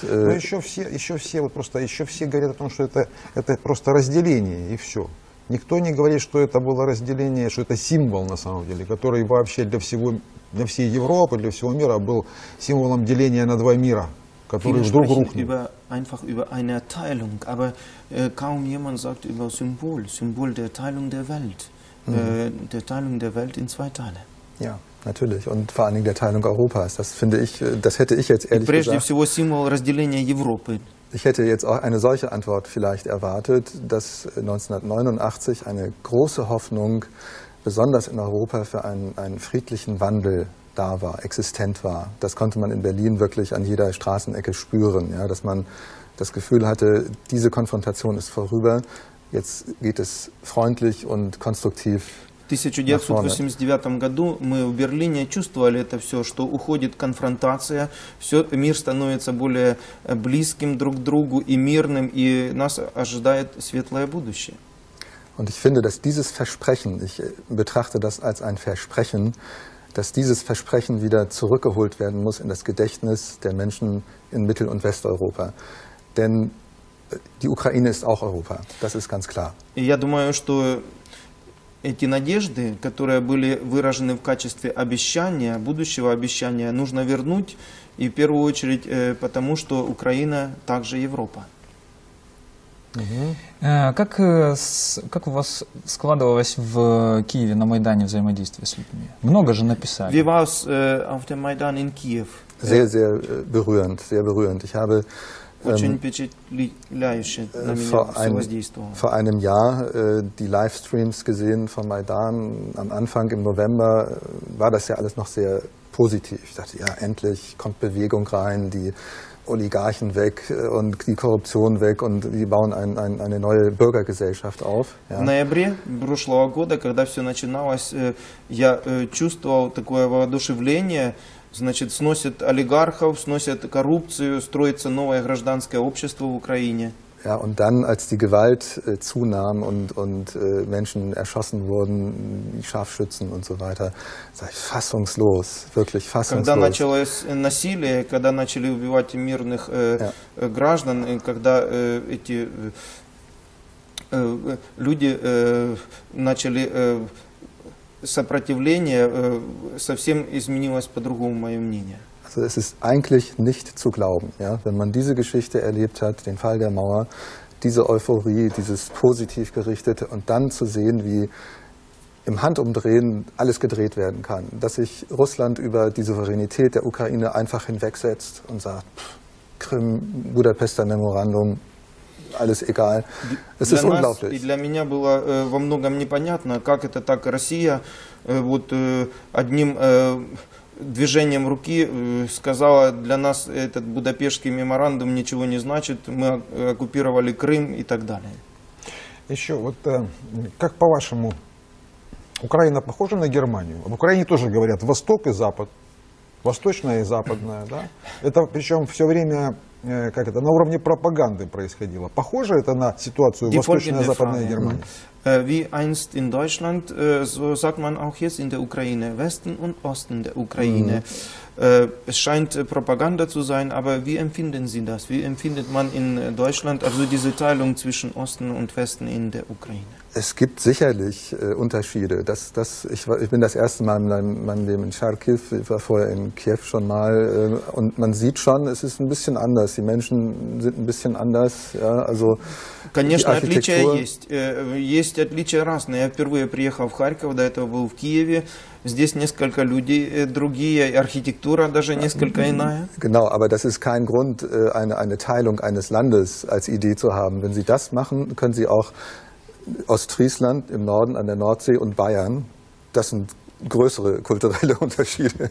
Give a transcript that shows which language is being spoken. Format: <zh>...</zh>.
<ru>Но еще все вот просто еще все говорят о том, что это просто разделение, и все. Никто не говорит, что это было разделение, что это символ на самом деле, который вообще для всей Европы, для всего мира был символом деления на два мира, который вдруг рухнул.</ru> <de>Einfach über eine Teilung, aber kaum jemand sagt über Symbol, Symbol der Teilung der Welt, der Teilung der Welt in zwei Teile. Ja. Natürlich, und vor allen Dingen der Teilung Europas. Das finde ich, das hätte ich jetzt ehrlich gesagt.</de> <ru>Прежде всего символ разделения Европы.</ru> <de>Ich hätte jetzt auch eine solche Antwort vielleicht erwartet, dass 1989 eine große Hoffnung, besonders in Europa, für einen friedlichen Wandel da war, existent war. Das konnte man in Berlin wirklich an jeder Straßenecke spüren, ja, dass man das Gefühl hatte, diese Konfrontation ist vorüber, jetzt geht es freundlich und konstruktiv.</de> <ru>В 1989 году мы в Берлине чувствовали это все, что уходит конфронтация, все, мир становится более близким друг к другу и мирным, и нас ожидает светлое будущее.</ru> <de>Und ich finde, dass dieses Versprechen, ich betrachte das als ein Versprechen, dass dieses Versprechen wieder zurückgeholt werden muss in das Gedächtnis der Menschen in Mittel- und Westeuropa. Denn die Ukraine ist auch Europa, das ist ganz klar.</de> <ru>Я думаю, что эти надежды, которые были выражены в качестве обещания, будущего обещания, нужно вернуть, и в первую очередь потому, что Украина также Европа. Как у вас складывалось в Киеве на Майдане взаимодействие с людьми? Много же написали.</ru> <de>Wie war es auf dem Майдан in Kiew? Sehr, sehr berührend, sehr berührend. Ich habe vor einem Jahr die Livestreams gesehen vom Maidan. Am Anfang im November war das ja alles noch sehr positiv. Ich dachte, ja, endlich kommt Bewegung rein, die Oligarchen weg und die Korruption weg und die bauen eine neue Bürgergesellschaft auf. Im November</de> <ru>прошлого года, когда все начиналось, я чувствовал такое воодушевление. Значит, сносят олигархов, сносят коррупцию, строится новое гражданское общество в Украине.</ru> <de>Ja, und dann, als die Gewalt zunahm und Menschen erschossen wurden, Scharfschützen und so weiter, sag ich, fassungslos, wirklich fassungslos.</de> <ru>Когда началось насилие, когда начали убивать мирных граждан, когда эти люди начали сопротивление, совсем изменилось по-другому мое мнение.</ru> <de>Also es ist eigentlich nicht zu glauben, ja? Wenn man diese Geschichte erlebt hat, den Fall der Mauer, diese Euphorie, dieses positiv gerichtete und dann zu sehen, wie im Handumdrehen alles gedreht werden kann, dass sich Russland über die Souveränität der Ukraine einfach hinwegsetzt und sagt, Krim, Budapester Memorandum, alles egal. Es ist unglaublich.</de> <ru>Для меня было во многом непонятно, как это так Россия вот одним движением руки сказала, для нас этот Будапештский меморандум ничего не значит, мы оккупировали Крым и так далее. Еще вот как по-вашему, Украина похожа на Германию? В Украине тоже говорят Восток и Запад. Восточная и западная, да? Это причем все время, как это, на уровне пропаганды происходило. Похоже это на ситуацию в Восточной и Западной Германии?</ru> <de>Wie einst in Deutschland, so sagt man auch jetzt in der Ukraine, Westen und Osten der Ukraine. Es scheint Propaganda zu sein, aber wie empfinden Sie das? Wie empfindet man in Deutschland also diese Teilung zwischen Osten und Westen in der Ukraine? Es gibt sicherlich Unterschiede. Ich bin das erste Mal in meinem Leben in Charkiw, ich war vorher in Kiew schon mal. Und man sieht schon, es ist ein bisschen anders. Die Menschen sind ein bisschen anders. Ja, also</de> <ru>конечно, отличия есть. Есть отличия разные. Я впервые приехал в Харьков, до этого был в Киеве. Здесь несколько людей другие, архитектура даже несколько иная.</ru> <de>Genau, aber das ist kein Grund, eine Teilung eines Landes als Idee zu haben. Wenn Sie das machen, können Sie auch Ostfriesland im Norden an der Nordsee und Bayern, das sind größere kulturelle Unterschiede.</de>